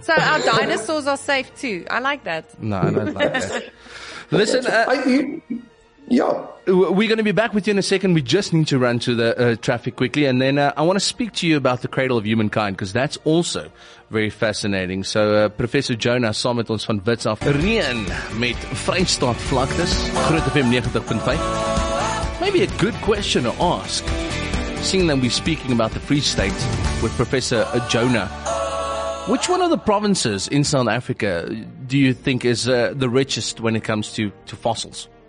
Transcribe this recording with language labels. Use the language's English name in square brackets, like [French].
[English] So our dinosaurs are safe too. I like that. No, I don't like that. Listen, we're going to be back with you in a second. We just need to run to the traffic quickly. And then I want to speak to you about the cradle of humankind, because that's also very fascinating. [Afrikaans] So Professor Jonah saam met ons van Wits af. Reën met Vrystaat vlaktes. Groot FM 90.5. [English] Maybe a good question to ask, seeing that we're speaking about the Free State with Professor Jonah. Which one of the provinces in South Africa do you think is the richest when it comes to fossils?